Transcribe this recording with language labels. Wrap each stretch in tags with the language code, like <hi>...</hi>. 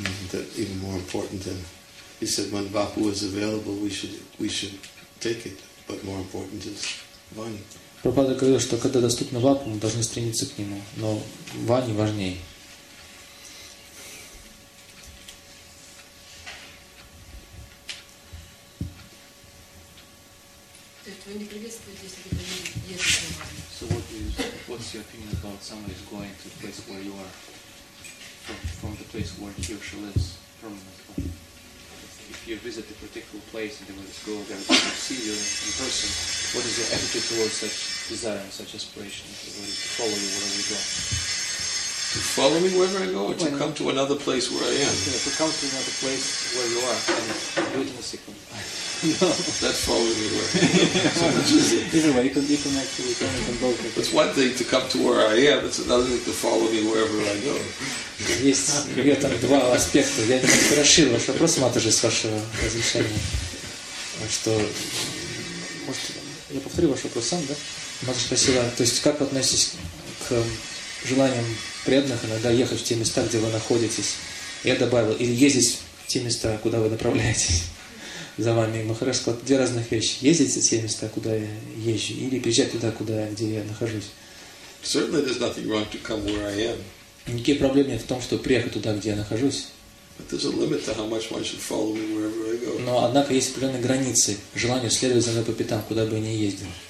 <en>That even more important than he said, when Bapu is available, we should take it. But more important is Vani.</en> <ru>Прабхупада говорил, что когда доступно Бапу, мы должны стремиться к нему, но Вани важнее.</ru> <en>So what's your opinion about somebody who's going to the place where you are? From the place where he or she lives permanently. If you visit a particular place and they will just go there to see you in person, what is your attitude towards such desire and such aspiration to follow you wherever you go? To follow me wherever I go, or to come to another place where I am? Yeah, to come to another place where you are and do it in a second. No. That's following me where I am. Either way, you can actually turn it on both. It's one thing to come to where I am, it's another thing to follow me wherever I go.</en> <ru>Есть в этом два аспекта. Я не расширил ваш вопрос, Матаджи, с вашего разрешения. Что, может, я повторю ваш вопрос сам, да? Матаджи спросила, то есть как вы относитесь к желаниям преданных иногда ехать в те места, где вы находитесь? Я добавил, или ездить в те места, куда вы направляетесь за вами. Махарадж сказал, две разных вещи. Ездить в те места, куда я езжу, или приезжать туда, куда где я нахожусь.</ru> <en>Certainly there's nothing wrong to come where I am.</en> <ru>Никаких проблем нет в том, чтобы приехать туда, где я нахожусь. Но, однако, есть определенные границы желанию следовать за мной по пятам, куда бы я ни ездил.</ru>